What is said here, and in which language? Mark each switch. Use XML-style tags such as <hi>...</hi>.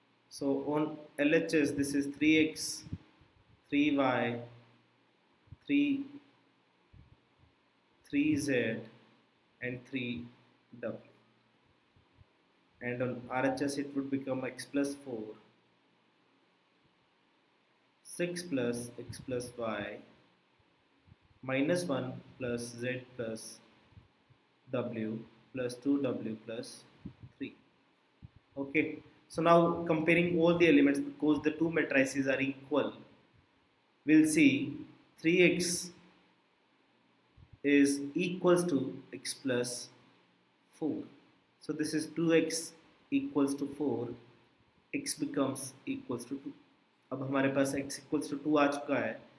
<en>So on LHS this is 3x, 3y, 3z and 3w, and on RHS it would become x plus 4 6 plus x plus y minus 1 plus z plus w plus 2w plus 3. Okay, so now comparing all the elements, because the two matrices are equal, we'll see 3x is equals to x plus 4. So this is 2x equals to 4, x becomes equals to 2.</en> <hi>अब हमारे पास</hi> <en>x equals to 2</en> <hi>आ चुका है.</hi>